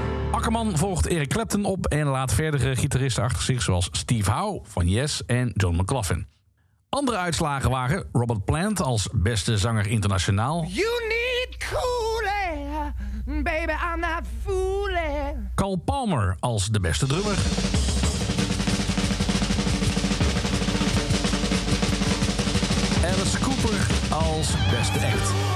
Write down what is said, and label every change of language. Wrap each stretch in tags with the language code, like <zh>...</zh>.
<nl>Akkerman volgt Eric Clapton op en laat verdere gitaristen achter zich, zoals Steve Howe van Yes en John McLaughlin. Andere uitslagen waren Robert Plant als beste zanger internationaal.</nl> <en>You need cooling, baby, I'm not fooling.</en> <nl>Carl Palmer als de beste drummer. Alice Cooper als beste act.</nl>